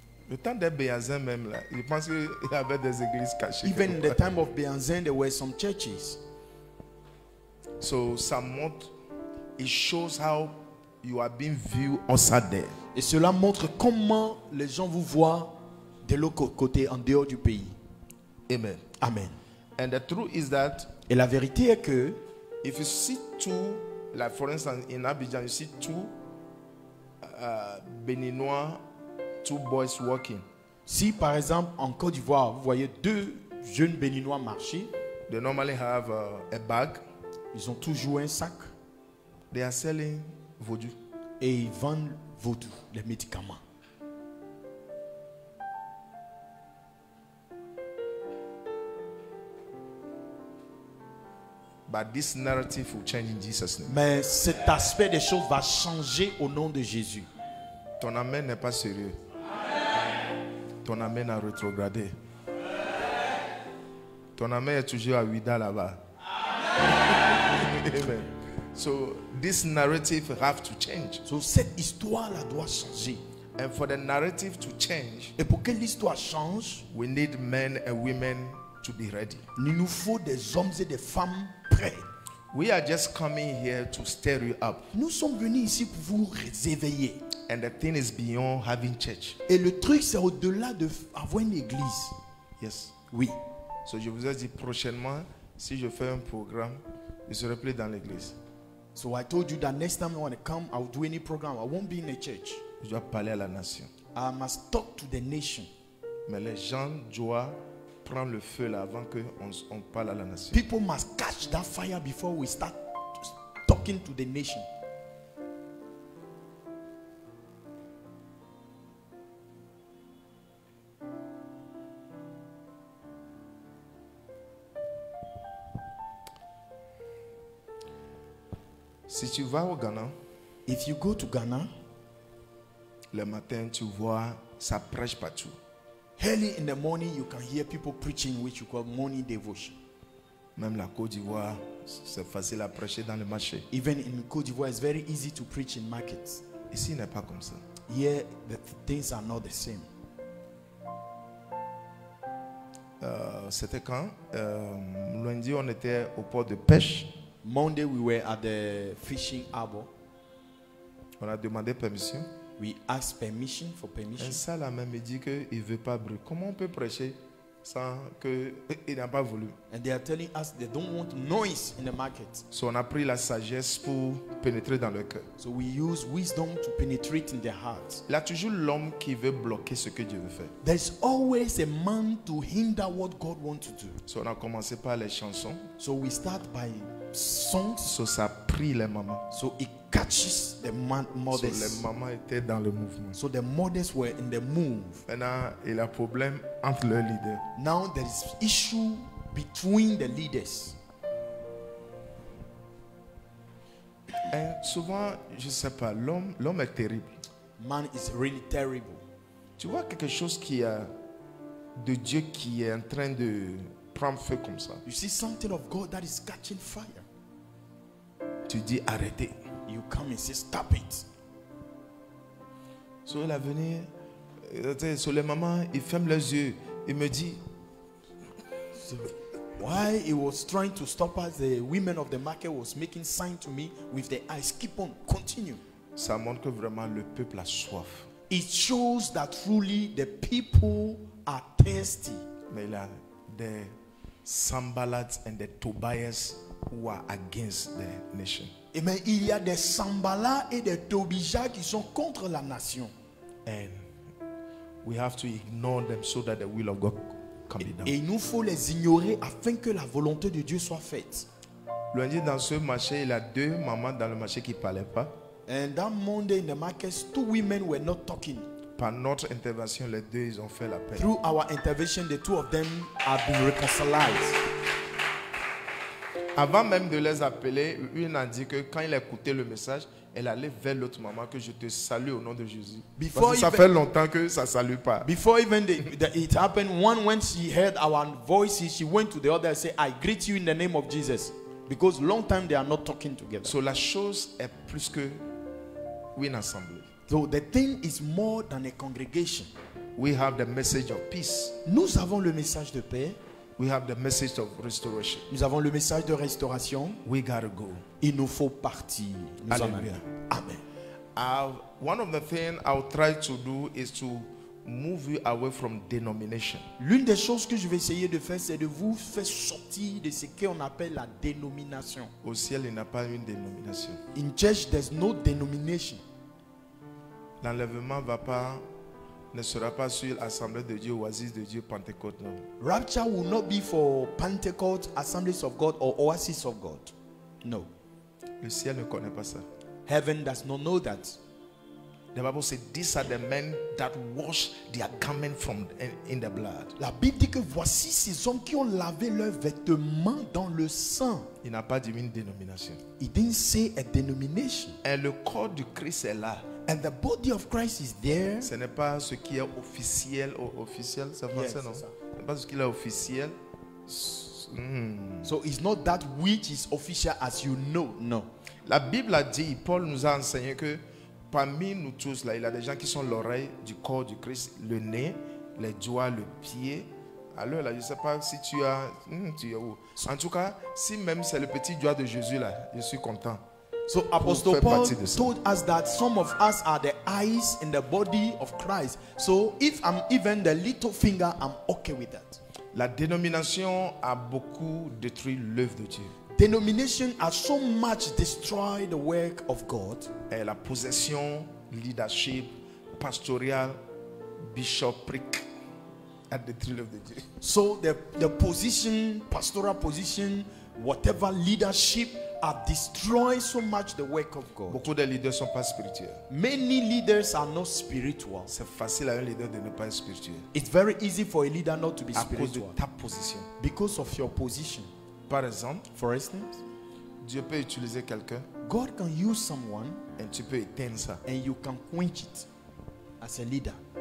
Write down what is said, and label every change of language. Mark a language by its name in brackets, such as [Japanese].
[French] Le temps des Béanzins même là, ils pensent qu'il y avait des églises cachées. [English] Even in the time of Béanzins, there were some churches. So [French] ça montre, [English] it shows how you are being viewed outside there. [French] Et cela montre comment les gens vous voient de l'autre côté, en dehors du pays. Amen. Amen. [English] And the truth is that. [French] Et la vérité est que. [English] If you see two, like for instance in Abidjan, you see two Béninois, two boys walking. [French] Si par exemple en Côte d'Ivoire, vous voyez deux jeunes Béninois marcher. [English] They normally have a bag. [French] Ils ont toujours un sac. [English] They are selling vodou. [French] Et ils vendent vodou, les médicaments. [English] But this narrative will change in Jesus' name. [French] Mais cet aspect des choses va changer au nom de Jésus. Ton amen n'est pas sérieux. Amen. Ton amen a rétrogradé. Amen. Ton amen est toujours à Ouida là-bas. Amen. [English] Amen. So this narrative have to change. [French] So cette histoire là doit changer. [English] And for the narrative to change, [French] et pour que l'histoire change, [English] we need men and women to be ready. [French] Il nous faut des hommes et des femmes. [English] We are just coming here to stir you up. [French] Nous sommes venus ici pour vous réveiller. [English] And the thing is beyond having church. [French] Et le truc c'est au-delà de avoir une église. [English] Yes. [French] Oui. So je vous ai dit prochainement, si je fais un programme, je serai plus dans l'église. [English] So I told you that next time when I come, I will do any program. I won't be in a church. [French] Je dois parler à la nation. [English] I must talk to the nation. [French] Mais les gens doivent prendre le feu là avant que on parle à la nation. [English] People must catch that fire before we start talking to the nation. [French] Si tu vas au Ghana, [English] if you go to Ghana, [French] le matin tu vois ça prêche partout. [English] Early in the morning, you can hear people preaching, which you call morning devotion. [French] Même la Côte d'Ivoire, c'est facile à prêcher dans le marché. [English] Even in Côte d'Ivoire, it's very easy to preach in markets. [French] Ici, il n'est pas comme ça. [English] Here, the things are not the same. [French] C'était quand? Lundi, on était au port de pêche. [English] Monday, we were at the fishing harbor. [French] On a demandé permission. [English] We asked permission for permission. [French] Un sale homme me dit que il veut pas brûler. Comment on peut prêcher sans que il n'a pas voulu? [English] And they are telling us they don't want noise in the market. [French] So on a pris la sagesse pour pénétrer dans leur cœur. [English] So we use wisdom to penetrate in their hearts. [French] Il y a toujours l'homme qui veut bloquer ce que Dieu veut faire. [English] There's always a man to hinder what God wants to do. [French] So on a commencé par les chansons. [English] So we start by songs. [French] So ça prie les mamans. [English] So it catches the mothers. [French] So les mamans étaient dans le mouvement. [English] So the mothers were in the move. [French] Maintenant, il y a problème entre leurs leaders. [English] Now there is issue between the leaders. [French] Et souvent, je sais pas, l'homme est terrible. [English] Man is really terrible. [French] Tu vois quelque chose qui a de Dieu qui est en train de prendre feu comme ça. [English] You see something of God that is catching fire. [French] Tu dis arrêtez. [English] You come and say stop it. [French] So il a venu, so les mamans, ils ferment leurs yeux, il me dit. [English] So, why he was trying to stop us, the women of the market was making sign to me with their eyes, keep on, continue. [French] Ça montre que vraiment le peuple a soif. [English] It shows that truly the people are thirsty. [French] Mais là, [English] the Sambalats and the Tobias who are against the nation. [French] Et mais il y a des Sambala et des Tobija qui sont contre la nation. [English] And we have to ignore them so that the will of God can be done. [French] Et il nous faut les ignorer afin que la volonté de Dieu soit faite. Lundi dans ce marché, il y a deux mamans dans le marché qui parlaient pas. [English] And that Monday in the market, two women were not talking. [French] Par notre intervention, les deux ils ont fait la paix. [English] Through our intervention, the two of them have been reconciled. [French] Avant même de les appeler, une a dit que quand elle écoutait le message, elle allait vers l'autre maman que je te salue au nom de Jésus. Parce que ça fait longtemps que ça salue pas. [English] Before even it happened, one when she heard our voices, she went to the other and said, "I greet you in the name of Jesus," because long time they are not talking together. [French] So la chose est plus que une assemblée. [English] So the thing is more than a congregation. We have the message of peace. [French] Nous avons le message de paix. [English] We have the message of restoration. [French] Nous avons le message de restauration. [English] We gotta go. [French] Il nous faut partir. Nous Alléluia. En allons. Amen. [English] One of the things I'll try to do is to move you away from denomination. [French] L'une des choses que je vais essayer de faire, c'est de vous faire sortir de ce qu'on appelle la dénomination. Au ciel, il n'y a pas une dénomination. [English] In church, there's no denomination. [French] L'enlèvement va pas. Ne sera pas sur l'Assemblée de Dieu, Oasis de Dieu, Pentecôte, non. [English] Rapture will not be for Pentecôte, Assemblies of God or Oasis of God. No. [French] Le ciel ne connaît pas ça. [English] Heaven does not know that. The Bible says, these are the men that wash their garment from in the blood. [French] La Bible dit que voici ces hommes qui ont lavé leurs vêtements dans le sang. Il n'a pas dit une dénomination. [English] He didn't say a denomination. [French] Et le corps du Christ est là. [English] And the body of Christ is there. [French] Ce n'est pas ce qui est officiel, officiel, c'est français, [English] yes, [French] non? Ce n'est pas ce qui est officiel. [English] So it's not that which is official as you know, non. [French] La Bible a dit, Paul nous a enseigné que parmi nous tous, là, il y a des gens qui sont l'oreille du corps du Christ, le nez, les doigts, le pied. Alors là, je ne sais pas si tu as... tu es où? En tout cas, si même c'est le petit doigt de Jésus, là, je suis content. [English] So Apostle Paul told us that some of us are the eyes in the body of Christ. So if I'm even the little finger, I'm okay with that. [French] La dénomination a beaucoup détruit l'œuvre de Dieu. [English] Denomination has so much destroyed the work of God. [French] Et la possession, [English] leadership, pastoral, bishopric [French] a détruit l'œuvre de Dieu. [English] So the position, pastoral position, whatever leadership have destroyed so much the work of God. [French] Beaucoup de leaders sont pas spirituels. [English] Many leaders are not spiritual. [French] C'est facile à un leader de ne pas être spirituel. [English] It's very easy for a leader not to be [French] à [English] spiritual. [French] À cause de ta position. [English] Because of your position. [French] Par exemple, [English] for instance, [French] Dieu peut utiliser quelqu'un. [English] God can use someone [French] et tu peux éteindre ça. [English] And you can quench it as a leader.